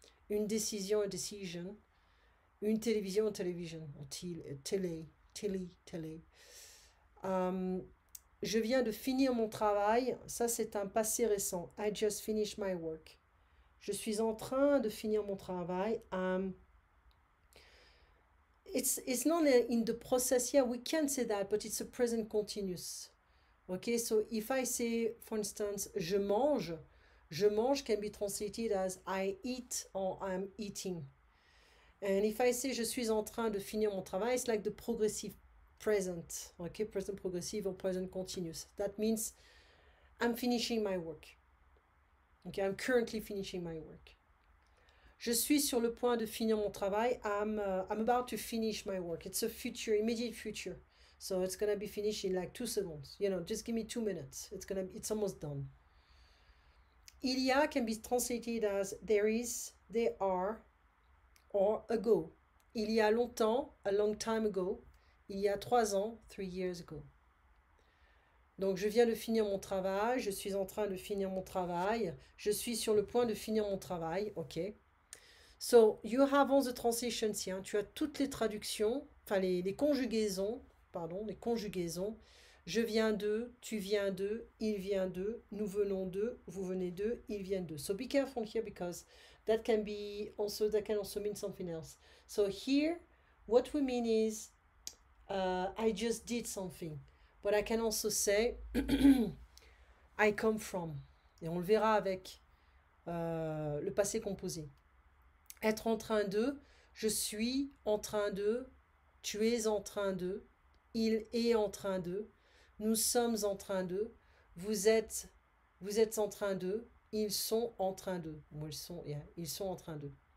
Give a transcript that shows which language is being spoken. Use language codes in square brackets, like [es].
[fr] Une décision, a decision. Une télévision, a television. Télé, télé, télé. Je viens de finir mon travail. Ça, c'est un passé récent. [en] I just finished my work. [fr] Je suis en train de finir mon travail. [en] It's not in the process yet. We can't say that, but it's a present continuous. Okay, so if I say, for instance, je mange can be translated as I eat or I'm eating. And if I say, je suis en train de finir mon travail, it's like the progressive present. Okay, present progressive or present continuous. That means I'm finishing my work. Okay, I'm currently finishing my work. [fr] Je suis sur le point de finir mon travail. [en] I'm about to finish my work. It's a future, immediate future. So it's gonna be finished in like 2 seconds. Just give me 2 minutes. It's almost done. Il y a can be translated as there is, there are, or ago. [fr] Il y a longtemps, a long time ago. Il y a 3 ans, 3 years ago. Donc je viens de finir mon travail. Je suis en train de finir mon travail. Je suis sur le point de finir mon travail. OK. So you have all the translations here. Tu as toutes les traductions, enfin les conjugaisons. Pardon, les conjugaisons. Je viens de, tu viens de, il vient de, nous venons de, vous venez de, ils viennent de. [en] So be careful here because that can also mean something else. So here, what we mean is I just did something. But I can also say I come from. [fr] Et on le verra avec le passé composé. Être en train de, je suis en train de, tu es en train de. Il est en train de, nous sommes en train de, vous êtes en train de, ils sont en train de, ou ils sont, yeah, ils sont en train de.